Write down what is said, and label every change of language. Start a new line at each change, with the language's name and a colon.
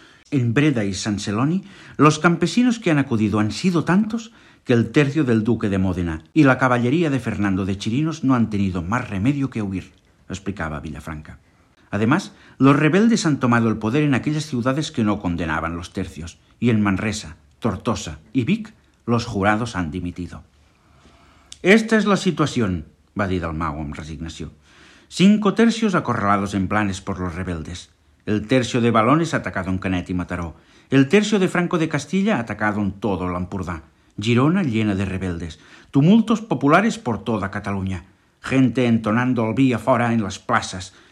Spanish: En Breda y San Celoni, los campesinos que han acudido han sido tantos que el tercio del duque de Módena y la caballería de Fernando de Chirinos no han tenido más remedio que huir, explicaba Villafranca. Además, los rebeldes han tomado el poder en aquellas ciudades que no condenaban los tercios, y en Manresa, Tortosa y Vic, los jurados han dimitido. «Esta es la situación»,
Catalan: va dir Dalmau amb resignació.
Spanish: 5 tercios acorralados en Blanes por los rebeldes. El tercio de Balones atacado en Canet y Mataró. El tercio de Franco de Castilla atacado en todo l'Empordà. Girona llena de rebeldes. Tumultos populares por toda Cataluña. Gente entonando el vi afora en las plazas.